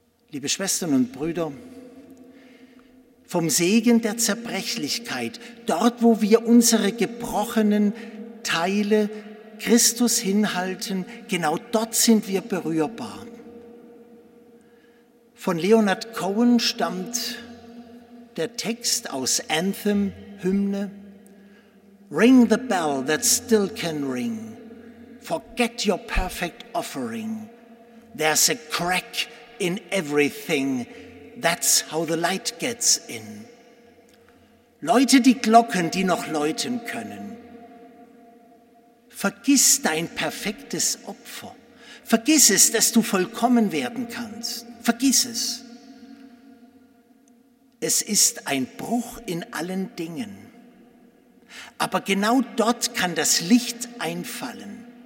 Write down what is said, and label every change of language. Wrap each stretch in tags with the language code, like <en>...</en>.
<de>Liebe Schwestern und Brüder, vom Segen der Zerbrechlichkeit, dort, wo wir unsere gebrochenen Teile Christus hinhalten, genau dort sind wir berührbar. Von Leonard Cohen stammt der Text aus Anthem, Hymne.</de> <en>Ring the bell that still can ring. Forget your perfect offering. There's a crack in everything. That's how the light gets in.</en> <de>Läute die Glocken, die noch läuten können. Vergiss dein perfektes Opfer. Vergiss es, dass du vollkommen werden kannst. Vergiss es. Es ist ein Bruch in allen Dingen. Aber genau dort kann das Licht einfallen.</de>